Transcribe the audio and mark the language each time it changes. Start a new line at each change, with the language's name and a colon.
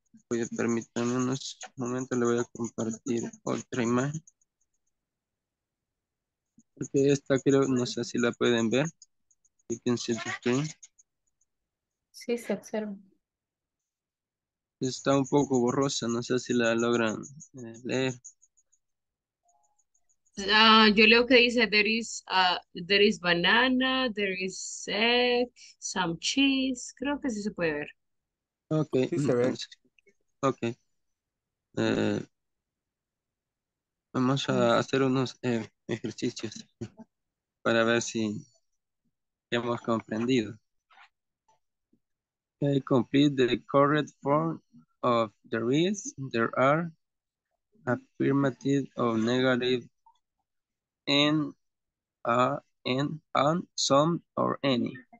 Spanish: Permítanme unos momentos, le voy a compartir otra imagen. Porque esta creo, no sé si la pueden ver.
English: You can see the screen.
Spanish: Sí, se observa. Está un poco borrosa, no sé si la logran leer. Yo leo que dice
English: there is banana, there is egg, some cheese.
Spanish: Creo que sí se puede ver. Okay. Sí se ve. Okay. Vamos a hacer unos ejercicios para ver si hemos comprendido.
English: Complete the correct form of there is, there are, affirmative or negative, and and on, some or any.